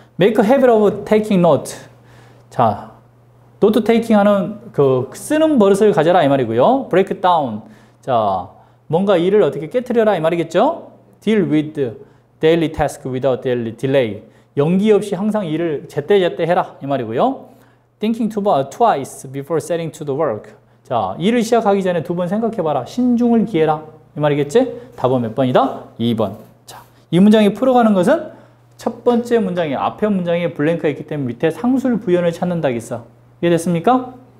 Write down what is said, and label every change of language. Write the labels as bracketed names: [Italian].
[English] Make a habit of taking note. [Korean] 자, note taking 하는 그 쓰는 버릇을 가져라 이 말이고요. [English] Break down. [Korean] 자, 뭔가 일을 어떻게 깨트려라 이 말이겠죠? [English] Deal with daily task without daily delay. [Korean] 연기 없이 항상 일을 제때제때 해라 이 말이고요. [English] Thinking twice before setting to the work. [Korean] 자, 일을 시작하기 전에 두번 생각해봐라. 신중을 기해라 이 말이겠지? 답은 몇 번이다? 2번. 자, 이 문장이 풀어가는 것은 첫 번째 문장이 앞에 문장이 블랭크가 있기 때문에 밑에 상수를 부연을 찾는다 했어. 이해됐습니까?